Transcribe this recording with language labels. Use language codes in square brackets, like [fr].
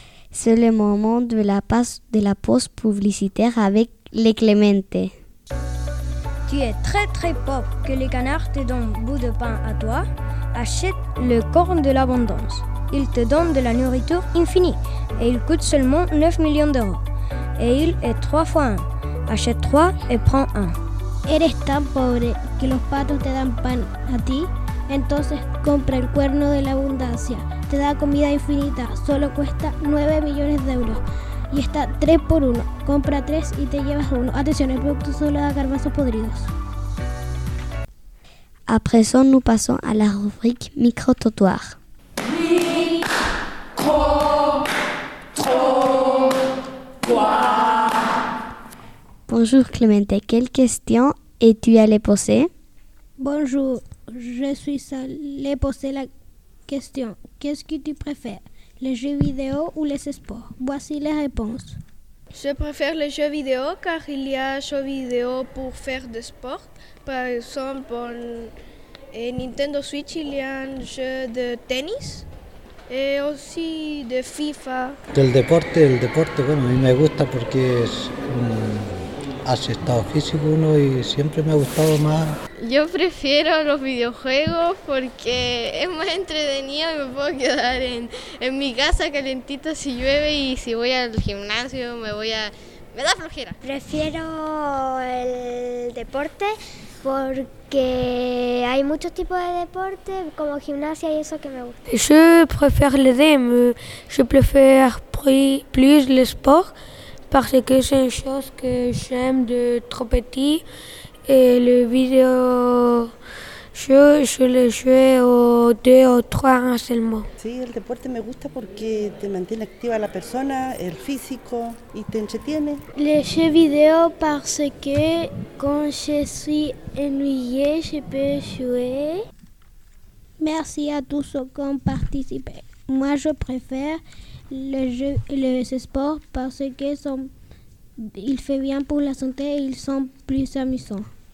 [fr] C'est le moment de la pause publicitaire avec les Clémentes. Tu es très très pauvre que les canards te donnent bout de pain à toi. Achète le corn de l'abondance. Il te donne de la nourriture infinie et il coûte seulement 9 millions d'euros. Et il est 3 fois 1. Achète 3 et prends 1. [es] Eres tan pobre que los patos te dan pan a ti, entonces compra el cuerno de la abundancia. Te da comida infinita, solo cuesta 9 millones de euros y está 3 por 1. Compra 3 y te llevas 1. Atención, el producto solo da garbanzos podridos. [fr] A présent, nous passons à la rubrique micro-trottoir. Micro-trottoir. Bonjour Clémentine, quelle question es-tu allée poser? Bonjour, je suis allé poser la question. Qu'est-ce que tu préfères, les jeux vidéo ou les sports? Voici les réponses. Je préfère les jeux vidéo car il y a jeux vidéo pour faire des sports. Par exemple, en Nintendo Switch, il y a un jeu de tennis et aussi de FIFA. [es] El deporte, bueno, a mí me gusta porque es hace estado físico uno y siempre me ha gustado más. Yo prefiero los videojuegos porque es más entretenido y me puedo quedar en mi casa calentito si llueve y si voy al gimnasio me da flojera. Prefiero el deporte porque hay muchos tipos de deporte como gimnasia y eso que me gusta. [fr] Je préfère les deux, je préfère plus le sport parce que c'est une chose que j'aime de trop petit. Et le vidéo, je le joue au 2 ou 3 ans seulement. [es] Sí, el deporte me gusta porque te mantiene activa la persona, el físico y te entretiene. [fr] Les jeux vidéo parce que quand je suis ennuyé, je peux jouer. Merci à tous qui ont participé. Moi, je préfère les sports parce que ils font bien pour la santé et ils sont plus amusants.